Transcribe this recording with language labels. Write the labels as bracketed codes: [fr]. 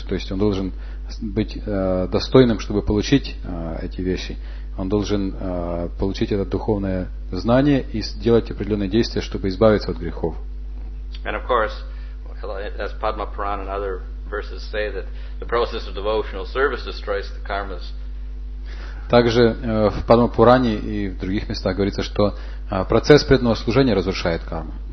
[ru] То есть он должен быть достойным, чтобы получить эти вещи. Он должен получить это духовное знание и сделать определенные действия, чтобы избавиться от грехов. [en] And of course, as Padma Purana and other verses say, that the process of devotional service destroys the karmas. [ru] Также в Падма Пуране и в других местах говорится, что процесс преданного служения разрушает карму.